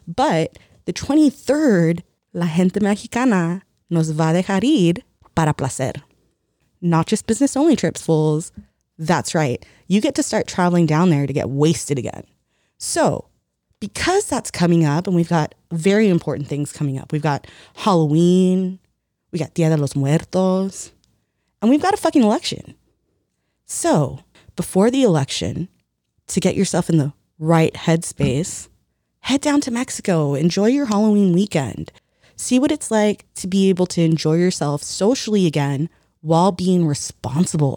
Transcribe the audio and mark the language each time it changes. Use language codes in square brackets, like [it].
[en] But the 23rd, [es] la gente mexicana nos va a dejar ir para placer. [en] Not just business only trips, fools. That's right. You get to start traveling down there to get wasted again. So because that's coming up and we've got very important things coming up. We've got Halloween. We got Dia de los Muertos. And we've got a fucking election. So before the election, to get yourself in the right headspace, head down to Mexico. Enjoy your Halloween weekend. See what it's like to be able to enjoy yourself socially again while being responsible.